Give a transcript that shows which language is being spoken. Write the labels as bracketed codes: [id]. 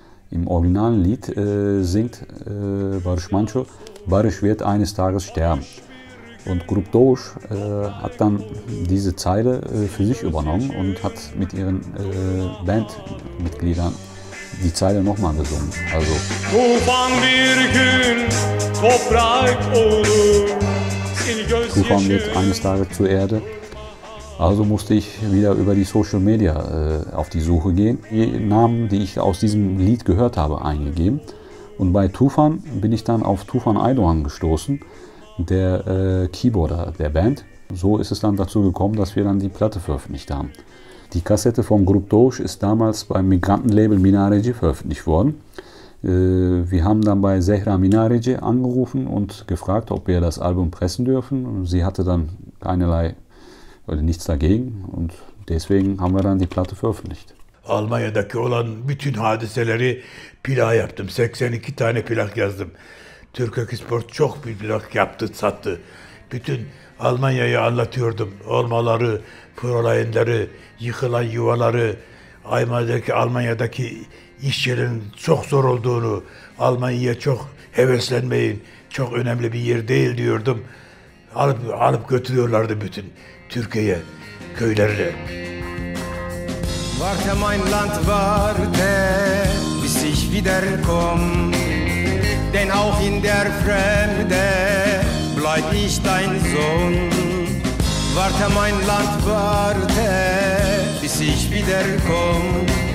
[de] Im originalen Lied singt Barış Manço, Barış wird eines Tages sterben. Und Grup Doğuş hat dann diese Zeile für sich übernommen und hat mit ihren Bandmitgliedern die Zeile nochmal gesungen, also. [tr] Tufan bir gün toprak olur. [de] Tufan wird eines Tages zur Erde. Also musste ich wieder über die Social Media auf die Suche gehen. Die Namen, die ich aus diesem Lied gehört habe, eingegeben. Und bei Tufan bin ich dann auf Tufan Aydoğan gestoßen, der Keyboarder der Band. So ist es dann dazu gekommen, dass wir dann die Platte veröffentlicht haben. Die Kassette von Grup Doğuş ist damals beim Migrantenlabel Minareci veröffentlicht worden. Wir haben dann bei Zehra Minareci angerufen und gefragt, ob wir das Album pressen dürfen. Sie hatte dann keinerlei oder nichts dagegen und deswegen haben wir dann die Platte veröffentlicht. [tr] Almanya'daki olan bütün hadiseleri plak yaptım. 82 tane plak yazdım. Türk Export çok bir plak yaptı, sattı. Bütün Almanya'yı anlatıyordum. Olmaları, Fräuleinleri, yıkılan yuvaları, Almanya'daki, iş yerinin çok zor olduğunu, Almanya'ya çok heveslenmeyin, çok önemli bir yer değil diyordum. Alıp götürüyorlardı bütün Türkiye'ye, köylerine. [de] Warte mein Land, warte, bis ich wiederkomm. denn auch in der Fremde bleib ich dein Sohn. Warte, mein Land, warte, bis ich wiederkomm.